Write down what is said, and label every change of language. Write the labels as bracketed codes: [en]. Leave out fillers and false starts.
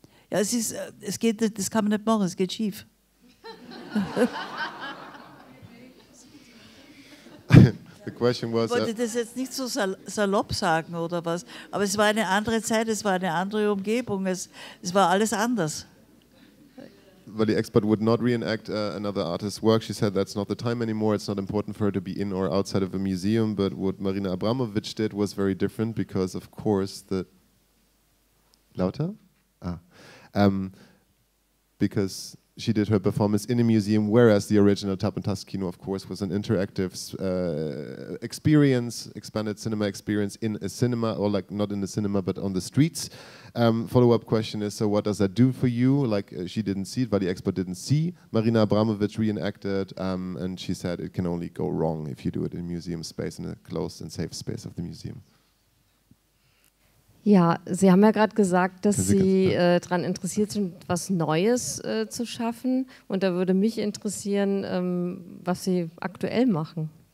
[de] Ja, es geht, das kann man nicht machen, es geht schief. [en] The question was, [de] ich wollte das jetzt nicht so salopp sagen oder was, aber es war eine andere Zeit, es war eine andere Umgebung, es war alles anders. [en] But the expert would not reenact another artist's work. She said that's not the time anymore. It's not important for her to be in or outside of a museum. But what Marina Abramovich did was very different because, of course, the... [de] Lauter? Ah. [en] Because she did her performance in a museum, whereas the original Tap and Tusk Kino, of course, was an interactive experience, expanded cinema experience in a cinema, or like not in the cinema, but on the streets. Follow-up question is, so what does that do for you? Like, she didn't see it, but the expert didn't see Marina Abramović reenacted, and she said it can only go wrong if you do it in a museum space, in a closed and safe space of the museum. [de] Ja, Sie haben ja gerade gesagt, dass Sie daran interessiert sind, was Neues zu schaffen. Und da würde mich interessieren, was Sie aktuell machen.